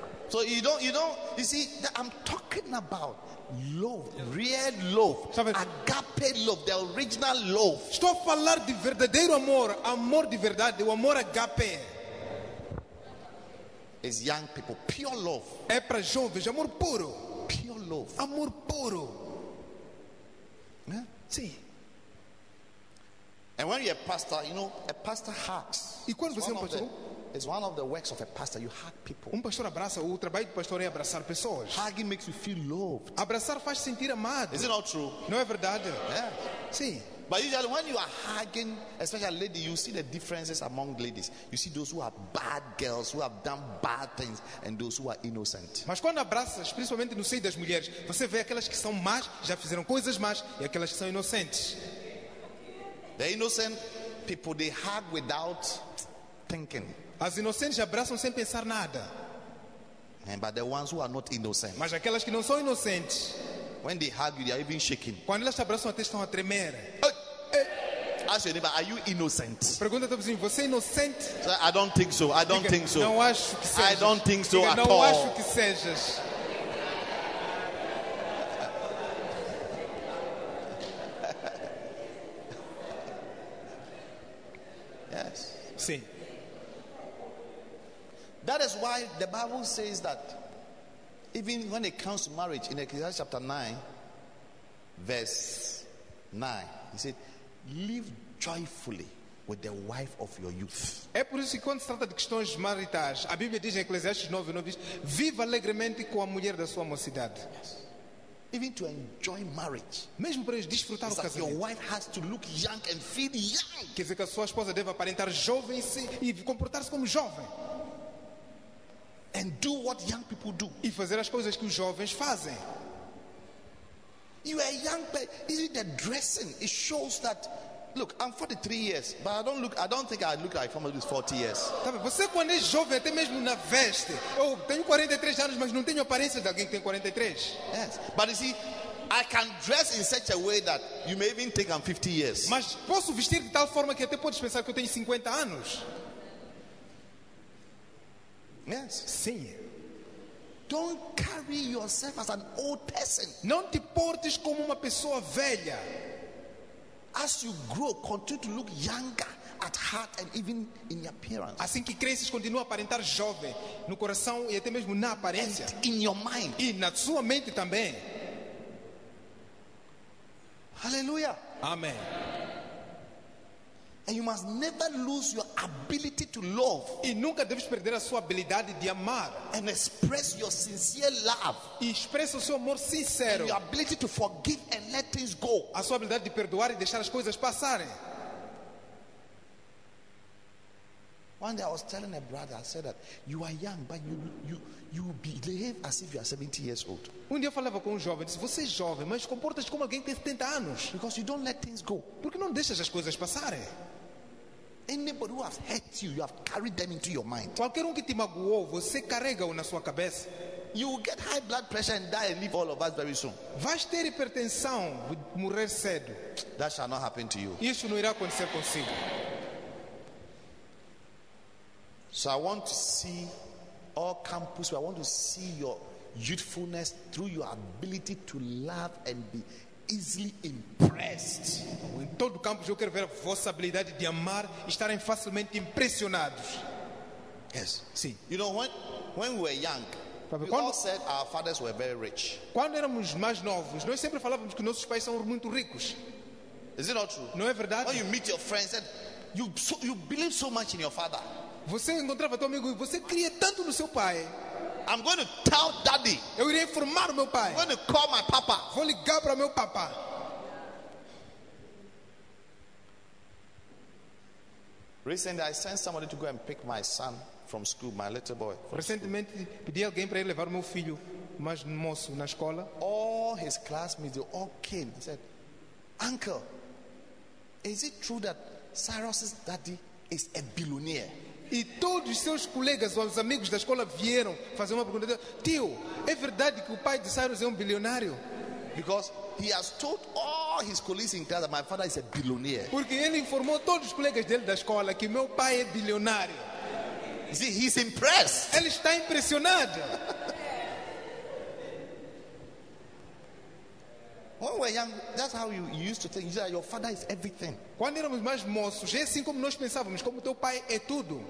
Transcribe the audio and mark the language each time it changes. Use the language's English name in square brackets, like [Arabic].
[English] So you see, I'm talking about love, real love, agape love, the original love. [Portuguese] Estou a falar de verdadeiro amor, amor de verdade, o amor agape. [English] It's young people, pure love. [Portuguese] É para jovens, amor puro. [English] Pure love. [Portuguese] Amor puro. [English] Yeah? [Portuguese] Sim. [English] And when you're a pastor, you know, a pastor hugs. [Portuguese] E quando você é pastor? [English] It's one of the works of a pastor. You hug people. [Portuguese] Pastor abraça, o trabalho do pastor é abraçar pessoas. [English] Hugging makes you feel loved. [Portuguese] Abraçar faz sentir amado. [English] Is it not true? [Portuguese] Não é verdade? [English] Yeah. [Portuguese] Sim. [English] But usually when you are hugging, especially a lady, you see the differences among ladies. You see those who are bad girls, who have done bad things, and those who are innocent. [Portuguese] Mas quando abraças, principalmente no seio das mulheres, você vê aquelas que são más, já fizeram coisas más, e aquelas que são inocentes. [English] The innocent people, they hug without thinking. [Portuguese] As inocentes abraçam sem pensar nada. [English] And but the ones who are not innocent. [Portuguese] Mas aquelas que não são inocentes. [English] When they hug you, they are even shaking. [Portuguese] Quando elas abraçam, até estão a tremer. [English] Ask your neighbor, are you innocent? [Portuguese] Pergunta ao vizinho, você é inocente? [English] I don't think so. I don't think so. [Portuguese] Não acho que sejas. [English] I don't think so at all. [Portuguese] Não acho que sejas. [English] Yes. [Portuguese] Sim. [English] That is why the Bible says that even when it comes to marriage, in Ecclesiastes chapter 9, verse 9, he said, live joyfully with the wife of your youth. [Portuguese] É por isso que quando se trata de questões maritais, a Bíblia diz em Ecclesiastes 9, 9, viva alegremente com a mulher da sua mocidade. [English] Yes. Even to enjoy marriage. [Portuguese] Mesmo para eles desfrutar [English] it's [Portuguese] o casamento. [English] Like your wife has to look young and feel young. [Portuguese] Quer dizer que a sua esposa deve aparentar jovem e comportar-se como jovem. [English] And do what young people do. [Portuguese] E fazer as coisas que os jovens fazem. [English] You are young, but isn't the dressing? It shows that. Look, I'm 43 years, but I don't think I look like someone who's 40 years. [Portuguese] Você quando é jovem, até mesmo na veste. Eu tenho 43 anos, mas não tenho a aparência de alguém que tem 43. [English] Yes, but you see, I can dress in such a way that you may even think I'm 50 years. [Portuguese] Mas posso vestir de tal forma que até podes pensar que eu tenho 50 anos. [English] Yes. [Portuguese] Sim. [English] Don't carry yourself as an old person. [Portuguese] Não te portes como uma pessoa velha. [English] As you grow, continue to look younger at heart and even in your appearance. [Portuguese] Assim que cresces, continua a aparentar jovem no coração e até mesmo na aparência. [English] And in your mind. [Portuguese] E na sua mente também. [English] Hallelujah. [Portuguese] Amen. [English] And you must never lose your ability to love. [Portuguese] E nunca deves perder a sua habilidade de amar. [English] And express your sincere love. [Portuguese] E expressa o seu amor sincero. [English] And your ability to forgive and let things go. [Portuguese] A sua habilidade de perdoar e deixar as coisas passarem. [English] One day I was telling a brother, I said that you are young, but you behave as if you are 70 years old. [Portuguese] Um dia eu falava com um jovem, disse, você é jovem, mas comportas como alguém que tem 70 anos. [English] Because you don't let things go. [Portuguese] Porque não deixas as coisas passarem. [English] Anybody who has hurt you, you have carried them into your mind. [Portuguese] Qualquer que te magoou, você carrega-o na sua cabeça. [English] You will get high blood pressure and die and leave all of us very soon. [Portuguese] Vais ter hipertensão, morrer cedo. [English] That shall not happen to you. [Portuguese] Isso não irá acontecer consigo. [English] So I want to see all campus. I want to see your youthfulness through your ability to love and be easily impressed. [Portuguese] Em todo o campus, eu quero ver a vossa habilidade de amar e estarem facilmente impressionados. [English] Yes. [Portuguese] Sim. [English] You know, when we were young, we all said our fathers were very rich. [Portuguese] Quando éramos mais novos, nós sempre falávamos que nossos pais são muito ricos. [English] Is it not true? [Portuguese] Não é verdade? [English] When you meet your friends, and you believe so much in your father. [Portuguese] Você encontrava teu amigo e você cria tanto no seu pai. [English] I'm going to tell daddy. [Portuguese] Eu irei informar o meu pai. [English] I'm going to call my papa. [Portuguese] Vou ligar para meu papa. [English] Recently I sent somebody to go and pick my son from school, my little boy. [Portuguese] Recentemente pedi alguém para ir levar o meu filho mais moço na escola. [English] All his classmates, they all came. I said, "Uncle, is it true that Cyrus's daddy is a billionaire?" [Portuguese] E todos os seus colegas, os amigos da escola vieram fazer uma pergunta. Tio, é verdade que o pai de Cyrus é um bilionário? [English] Because he has told all all his colleagues in class that my father is a billionaire. [Portuguese] Porque ele informou todos os colegas dele da escola que meu pai é bilionário. [English] See, he's impressed. [Portuguese] Ele está impressionado. [English] When we were young, that's how you used to think. You said your father is everything. [Portuguese] Quando éramos mais moços, é assim como nós pensávamos, como teu pai é tudo.